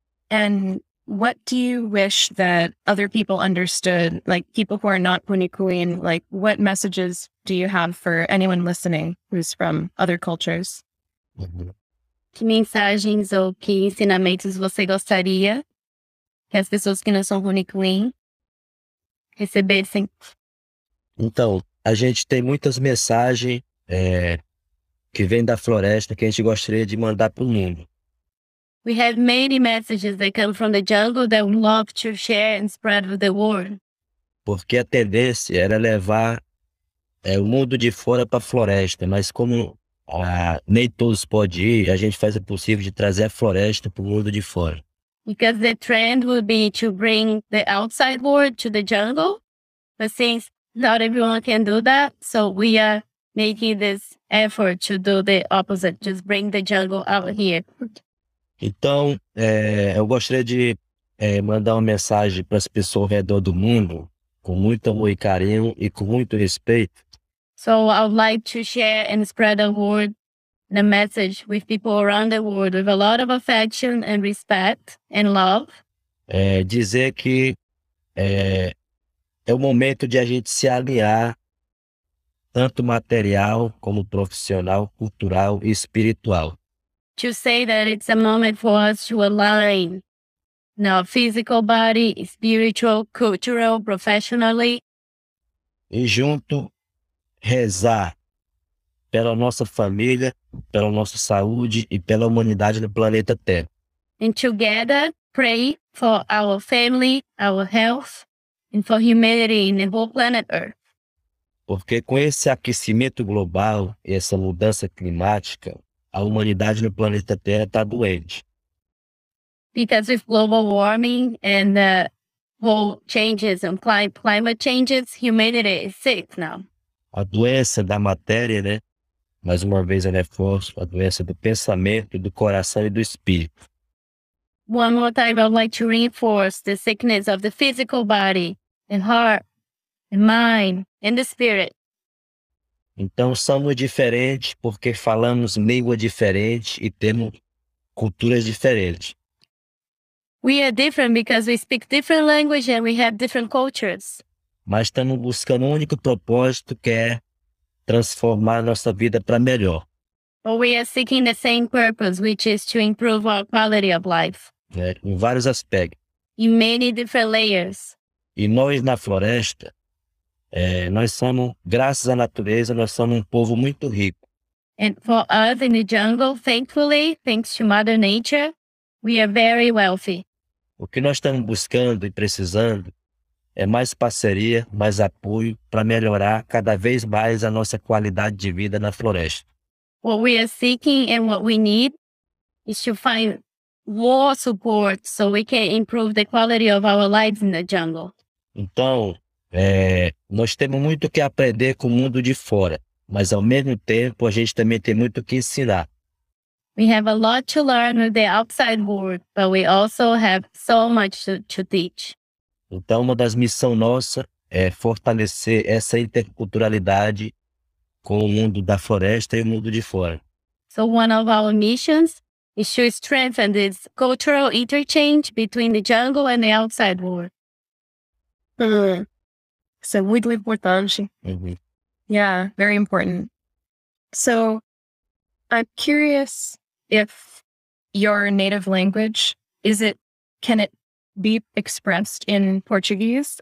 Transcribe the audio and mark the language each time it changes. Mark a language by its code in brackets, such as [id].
[en] And what do you wish that other people understood, like people who are not Punikuin, like what messages do you have for anyone listening who's from other cultures? [pt] Que mensagens ou que ensinamentos você gostaria que as pessoas que não são Punikuin recebessem? Então, a gente tem muitas mensagens que vêm da floresta que a gente gostaria de mandar para o mundo. [en] We have many messages that come from the jungle that we love to share and spread with the world. [pt] Porque a tendência era levar o mundo de fora para a floresta, mas como nem todos podem ir, a gente faz o possível de trazer a floresta para o mundo de fora. [en] Because the trend would be to bring the outside world to the jungle, but since not everyone can do that, so we are making this effort to do the opposite, just bring the jungle out here. [pt] Então, eu gostaria de mandar uma mensagem para as pessoas ao redor do mundo, com muito amor e carinho e com muito respeito. [en] So, I would like to share and spread a word, a message with people around the world, with a lot of affection and respect and love. [pt] Dizer que é o momento de a gente se alinhar, tanto material como profissional, cultural e espiritual. [en] To say that it's a moment for us to align in our physical body, spiritual, cultural, professionally. [pt] E junto, rezar pela nossa família, pela nossa saúde e pela humanidade no planeta Terra. [en] And together, pray for our family, our health, and for humanity in the whole planet Earth. [pt] Porque com esse aquecimento global e essa mudança climática, a humanidade no planeta Terra está doente. [en] Because of global warming and the whole changes and climate changes, humanity is sick now. [pt] A doença da matéria, né? Mais uma vez, eu reforço, a doença do pensamento, do coração e do espírito. [en] One more time, I'd like to reinforce the sickness of the physical body, and heart, and mind, and the spirit. [pt] Então, somos diferentes porque falamos língua diferente e temos culturas diferentes. [en] We are different because we speak different language and we have different cultures. [pt] Mas estamos buscando um único propósito que é transformar nossa vida para melhor. [en] But we are seeking the same purpose, which is to improve our quality of life. [pt] Em vários aspectos. [en] In many different layers. [pt] E nós na floresta, nós somos, graças à natureza, nós somos um povo muito rico. [en] And for us in the jungle, thankfully, thanks to Mother Nature, we are very wealthy. [pt] O que nós estamos buscando e precisando é mais parceria, mais apoio para melhorar cada vez mais a nossa qualidade de vida na floresta. [en] What we are seeking and what we need is to find more support so we can improve the quality of our lives in the jungle. [pt] Então, nós temos muito que aprender com o mundo de fora, mas ao mesmo tempo a gente também tem muito que ensinar. [en] We have a lot to learn with the outside world, but we also have so much to teach. [pt] Então, uma das missões nossas é fortalecer essa interculturalidade com o mundo da floresta e o mundo de fora. [en] So one of our missions is to strengthen this cultural interchange between the jungle and the outside world. [pt] Isso é muito importante. [en] Yeah, very important. So, I'm curious if your native language, can it be expressed in Portuguese?